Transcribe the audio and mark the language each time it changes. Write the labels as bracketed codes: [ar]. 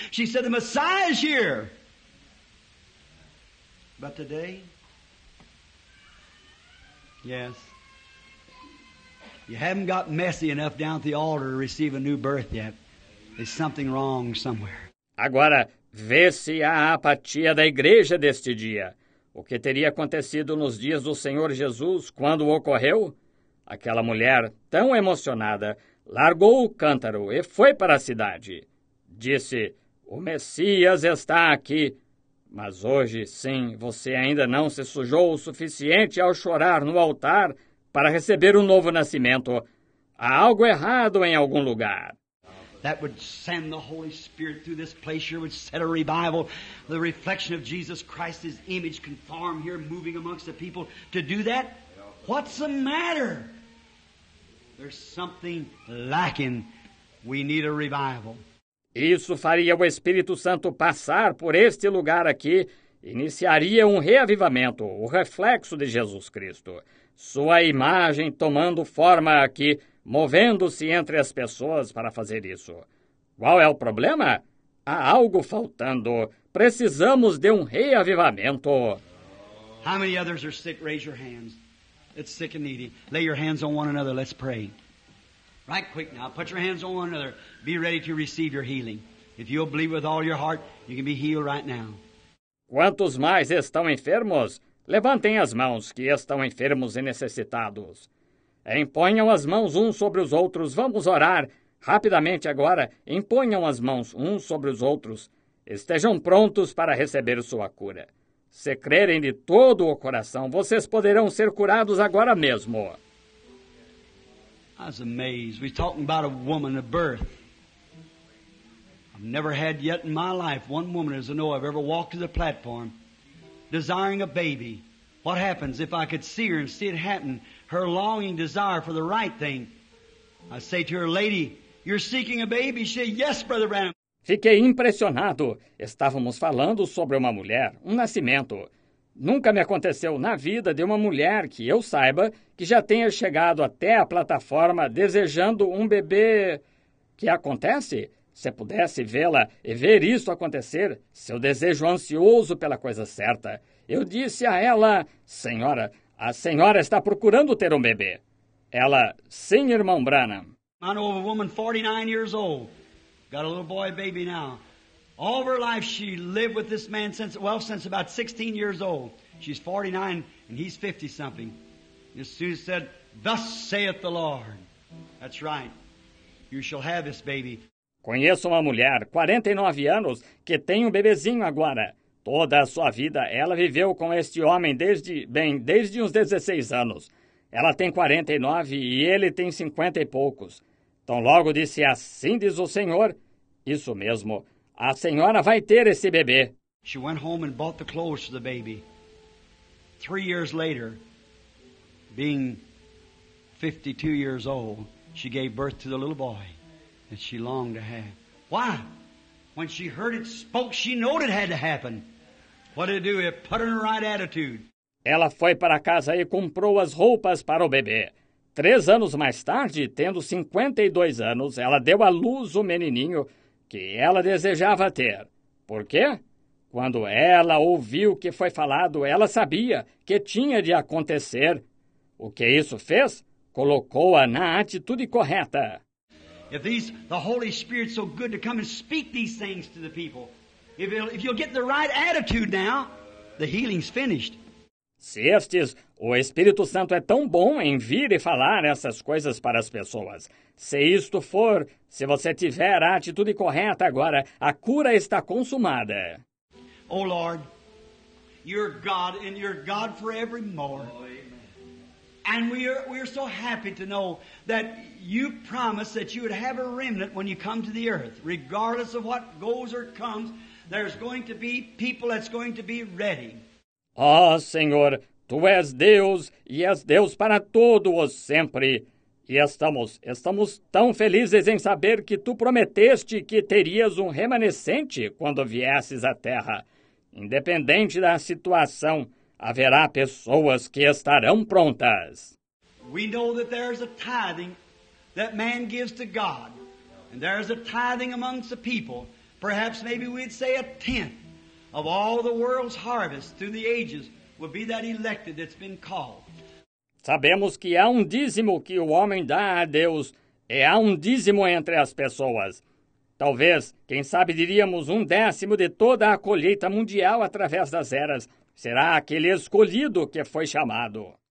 [en] She said, the Messiah is here. But today? Yes. You haven't got messy enough down at the altar to receive a new birth yet. There's something wrong somewhere. [pt] Agora, vê-se a apatia da igreja deste dia. O que teria acontecido nos dias do Senhor Jesus quando ocorreu? Aquela mulher, tão emocionada, largou o cântaro e foi para a cidade. Disse, o Messias está aqui. Mas hoje, sim, você ainda não se sujou o suficiente ao chorar no altar para receber um novo nascimento. Há algo errado em algum lugar. [en] That would send the Holy Spirit through this place here, would set a revival. The reflection of Jesus Christ, His image can form here, moving amongst the people to do that. What's the matter? There's something lacking. We need a revival. [pt] Isso faria o Espírito Santo passar por este lugar aqui, iniciaria um reavivamento, o reflexo de Jesus Cristo. Sua imagem tomando forma aqui, movendo-se entre as pessoas para fazer isso. Qual é o problema? Há algo faltando. Precisamos de um reavivamento. [en] How many others are sick? Raise your hands. It's sick and needy. Lay your hands on one another. Let's pray. Right quick now. Put your hands on one another. Be ready to receive your healing. If you'll believe with all your heart, you can be healed right now. [pt] Quantos mais estão enfermos? Levantem as mãos que estão enfermos e necessitados. Imponham as mãos uns sobre os outros. Vamos orar rapidamente agora. Imponham as mãos uns sobre os outros. Estejam prontos para receber sua cura. Se crerem de todo o coração, vocês poderão ser curados agora mesmo. [en] I was amazed. We're talking about a woman, a birth. I've never had yet in my life one woman as I know I've ever walked to the platform desiring a baby. What happens if I could see her and see it happen? Her longing desire for the right thing. I say to her, lady, you're seeking a baby. She said, yes, Brother Branham. [pt] Fiquei impressionado. Estávamos falando sobre uma mulher, um nascimento. Nunca me aconteceu na vida de uma mulher que eu saiba que já tenha chegado até a plataforma desejando um bebê. Que acontece? Se pudesse vê-la e ver isso acontecer, seu desejo ansioso pela coisa certa. Eu disse a ela, senhora, a senhora está procurando ter um bebê. Ela, sim, irmão Branham. [en] I know of a woman 49 years old. Got a little boy baby now. All of her life she lived with this man since about 16 years old. She's 49 and he's 50 something. And Susan said, thus saith the Lord. That's right. You shall have this baby. [pt] Conheço uma mulher, 49 anos, que tem um bebezinho agora. Toda a sua vida ela viveu com este homem desde uns 16 anos. Ela tem 49 e ele tem 50 e poucos. Então logo disse, assim diz o Senhor, isso mesmo, a senhora vai ter esse bebê. [en] She went home and bought the clothes for the baby. 3 years later, being 52 years old, she gave birth to the little boy that she longed to have. Why? When she heard it spoke, she knew it had to happen. What did it do? It put her in the right attitude. [pt] Ela foi para casa e comprou as roupas para o bebê. 3 anos mais tarde, tendo 52 anos, ela deu à luz o menininho que ela desejava ter. Por quê? Quando ela ouviu o que foi falado, ela sabia que tinha de acontecer. O que isso fez? Colocou-a na atitude correta. [en] The Holy Spirit so good to come and speak these things to the people. If you'll get the right attitude now, the healing's finished. [pt] Se estes, o Espírito Santo é tão bom em vir e falar essas coisas para as pessoas. Se isto for, se você tiver a atitude correta agora, a cura está consumada. [en] Oh Lord, you're God and you're God forevermore. And we are so happy to know that you promised that you would have a remnant when you come to the earth. Regardless of what goes or comes, there's going to be people that's going to be ready. [pt] Oh, Senhor, Tu és Deus e és Deus para todos sempre. E estamos tão felizes em saber que Tu prometeste que terias um remanescente quando viesses à Terra. Independente da situação, haverá pessoas que estarão prontas. [en] We know that there is a tithing that man gives to God. And there is a tithing amongst the people. Perhaps maybe we'd say a tenth of all the world's harvest through the ages would be that elected that's been called. [pt] Sabemos que há um dízimo que o homem dá a Deus. E há um dízimo entre as pessoas. Talvez, quem sabe, diríamos um décimo de toda a colheita mundial através das eras. Será aquele escolhido que foi chamado.